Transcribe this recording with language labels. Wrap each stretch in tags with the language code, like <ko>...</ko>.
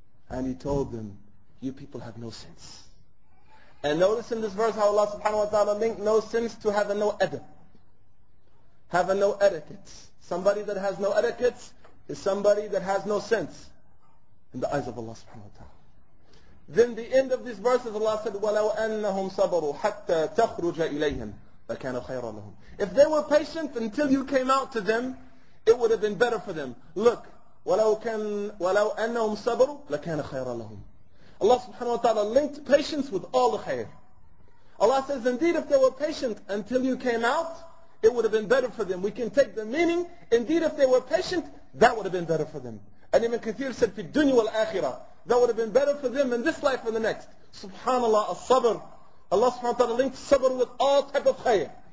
<en>And He told them, you people have no sense. And notice in this verse how Allah subhanahu wa ta'ala linked no sense to having no adab. Have a no etiquette. Somebody that has no etiquette is somebody that has no sense in the eyes of Allah subhanahu wa ta'ala.</en> <ar>Then the end of these verses, Allah said, وَلَوْ أَنَّهُمْ صَبَرُوا حَتَّى تَخْرُجَ إِلَيْهِمْ فَكَانَ خَيْرًا لَهُمْ.</ar> <en>If they were patient until you came out to them, it would have been better for them.</en> <ar>Look, وَلَوْ أَنَّهُمْ صَبَرُوا لَكَانَ خَيْرًا لَهُمْ.</ar> <en>Allah subhanahu wa ta'ala linked patience with all the khair. Allah says, indeed, if they were patient until you came out, it would have been better for them. We can take the meaning, indeed, if they were patient, that would have been better for them. And Ibn Kathir said, في الدنيا والآخرة, that would have been better for them in this life and the next. Subhanallah, as-sabr. Allah subhanahu wa ta'ala linked sabr with all type of khair.</en>